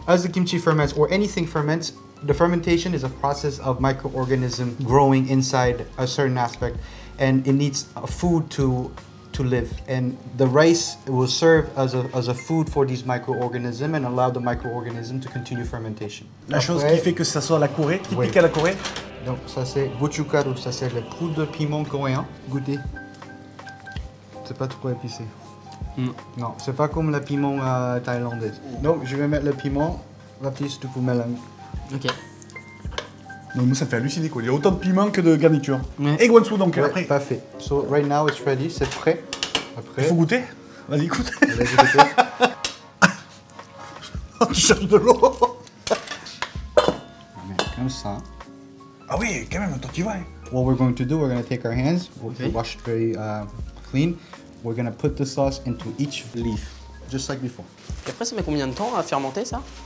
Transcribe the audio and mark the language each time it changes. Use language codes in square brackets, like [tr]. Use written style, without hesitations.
[en] As the kimchi ferments, or anything ferments, the fermentation is a process of microorganism growing inside a certain aspect, and it needs food to live. And the rice will serve as a food for these microorganisms and allow the microorganism to continue fermentation. [fr] La chose qui fait que ça soit la Corée, qui pique à la Corée. Donc ça c'est gochugaru, ça c'est le poudre de piment coréen. Goûtez. C'est pas trop épicé. Mm. Non, c'est pas comme le piment thaïlandais. Donc je vais mettre le piment, la piste de poumelon. Ok. Donc moi ça me fait halluciner quoi, il y a autant de piment que de garniture. Mm. Et guansu donc après. Parfait. [en] So right now it's ready, [fr] c'est prêt. Après. Il faut goûter. Vas-y goûte. Vas-y goûter. Tu cherches de l'eau. Comme ça. Ah oui, quand même, tant qu'il va. [en] What we're going to do, we're going to take our hands, wash it very clean. We're going to put the sauce into each leaf, just like before. [fr] Et après, ça met combien de temps à fermenter, ça?